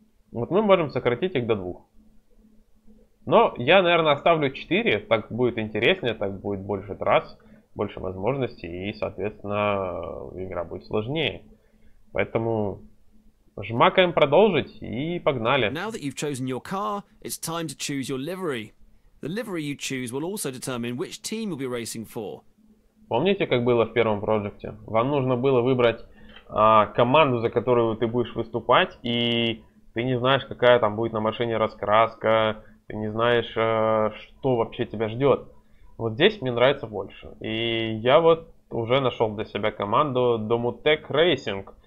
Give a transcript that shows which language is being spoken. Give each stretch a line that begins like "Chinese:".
Russian: Вот мы можем сократить их до 2. Но я, наверное, оставлю 4, так будет интереснее, так будет больше трасс, больше возможностей, и, соответственно, игра будет сложнее. Поэтому жмакаем продолжить и погнали.
English: Now that you've chosen your car, it's time to choose your livery. The livery you choose will also determine which team you'll be racing for.
Russian: Помните, как было в первом проекте? Вам нужно было выбрать команду, за которую ты будешь выступать, и ты не знаешь, какая там будет на машине раскраска. Ты не знаешь, что вообще тебя ждет. Вот здесь мне нравится больше. И я вот уже нашел для себя команду Domutec Racing.